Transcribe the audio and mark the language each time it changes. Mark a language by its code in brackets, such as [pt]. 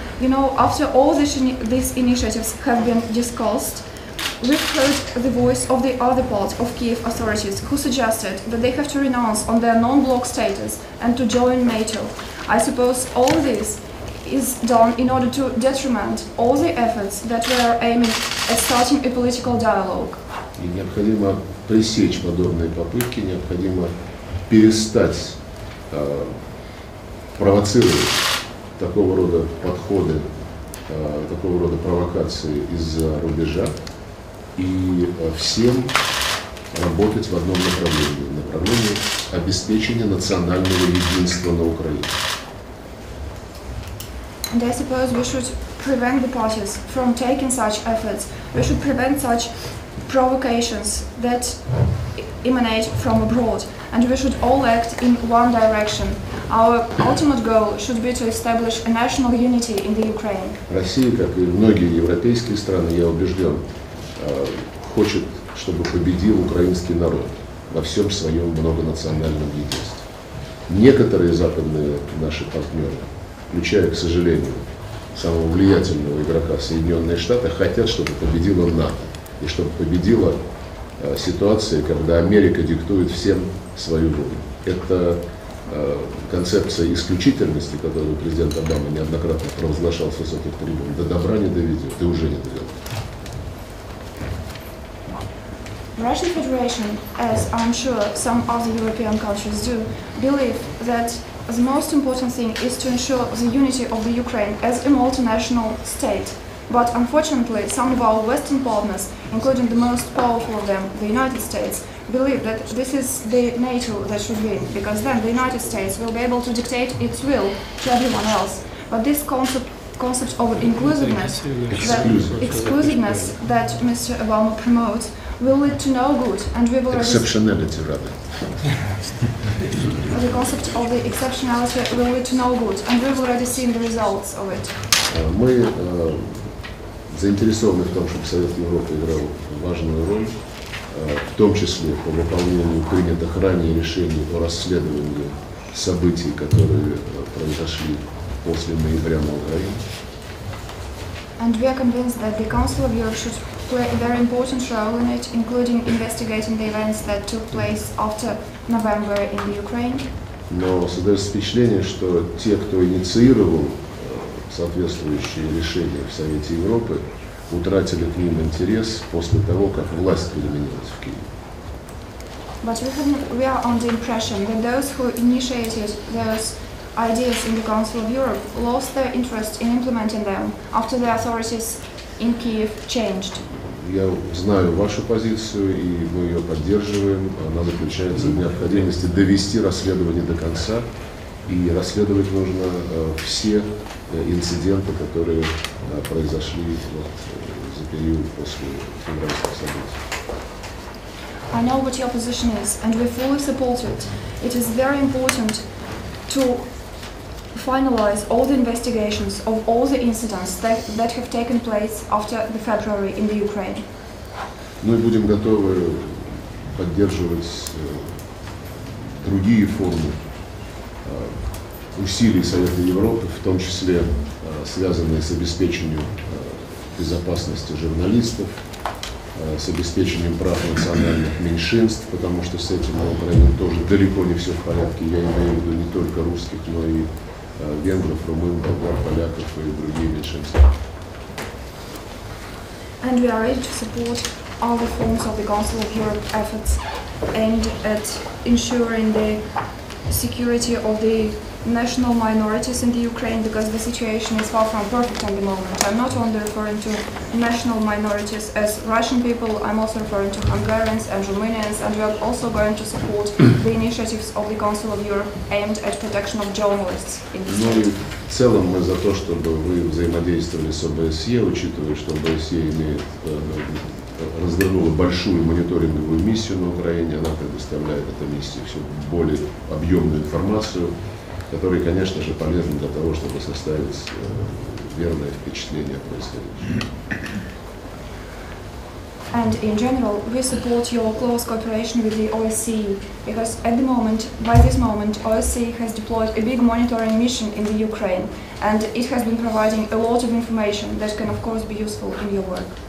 [en] You know, after all these initiatives have been discussed, we've heard the voice of the other part of Kyiv authorities, who suggested that they have to renounce on their non-bloc status and to join NATO. I suppose all this is done in order to detriment all the efforts that we are aiming at starting a political dialogue. [ru] И необходимо пресечь подобные попытки, необходимо перестать провоцировать такого рода подходы, такого рода провокации из-за рубежа и всем работать в одном направлении, направлении обеспечения национального единства на Украине. [en] And I suppose we should prevent the parties from taking such efforts. We should prevent such provocations that emanate from abroad. And we should all act in one direction. Our ultimate goal should be to establish a national unity in the Ukraine. [ru] Россия, как и многие европейские страны, я убежден, хочет, чтобы победил украинский народ во всем своем многонациональном единстве. Некоторые западные наши партнеры, включая, к сожалению, самого влиятельного игрока Соединенные Штаты, хотят, чтобы победила НАТО и чтобы победила ситуация, когда Америка диктует всем свою волю. Это концепция исключительности, которую президент Обама неоднократно провозглашал с высоких трибун. До добра не доведет, ты уже не довел. [en] Russian Federation, as I'm sure some other European countries do, believe that the most important thing is to ensure the unity of the Ukraine as a multinational state. But unfortunately, some of our Western partners, including the most powerful of them, the United States, believe that this is the NATO that should win, because then the United States will be able to dictate its will to everyone else. But this concept of inclusiveness, exclusiveness that Mr. Obama promotes, will lead to no good, and we will exceptionality rather. The concept of the exceptionality will lead to no good, and we've already seen the results of it. [ru] Мы заинтересованы в том, чтобы Совет Европы играл важную роль, в том числе по выполнению принятых ранее решений о расследовании событий, которые произошли после ноября на Украине. [en] And we are convinced that the Council of Europe should play a very important role in it, including investigating the events that took place after November in the Ukraine. [ru] Но создается впечатление, что те, кто инициировал соответствующие решения в Совете Европы, утратили к ним интерес после того, как власть переменилась в Киеве. [en] But we are on the impression that those who initiated those ideas in the Council of Europe lost their interest in implementing them after the authorities in Kyiv changed. [ru] Я знаю вашу позицию, и мы ее поддерживаем. Она заключается в необходимости довести расследование до конца, и расследовать нужно все инциденты, которые произошли за период после февральских событий. [en] I know what your position is, and we fully support it. It is very important to finalize all the investigations of all the incidents that have taken place after the February in the Ukraine. [ru] Мы будем готовы поддерживать другие формы усилий Совета Европы, в том числе связанные с обеспечением безопасности журналистов, с обеспечением прав национальных меньшинств, потому что с этим на Украине тоже далеко не все в порядке. Я имею в виду не только русских, но и венгров, румын, болгар, поляков и другие меньшинства. [en] And we are ready to support all the forms of the Council of Europe efforts aimed at ensuring the security of the national minorities in the Ukraine, because the situation is far from perfect at the moment. I'm not only referring to national minorities as Russian people, I'm also referring to Hungarians and Romanians, and we are also going to support the initiatives of the Council of Europe aimed at protection of journalists in the state. [ru] Ну, в целом мы за то, чтобы вы взаимодействовали с ОБСЕ, учитывая, что ОБСЕ имеет развернула большую мониторинговую миссию на Украине, она предоставляет этой миссии все более объемную информацию, которая, конечно же, полезна для того, чтобы составить верное впечатление о происходящем. [en] And in general, we support your close cooperation with the OSCE, because at the moment, by this moment, OSCE has deployed a big monitoring mission in the Ukraine, and it has been providing a lot of information that can, of course, be useful in your work.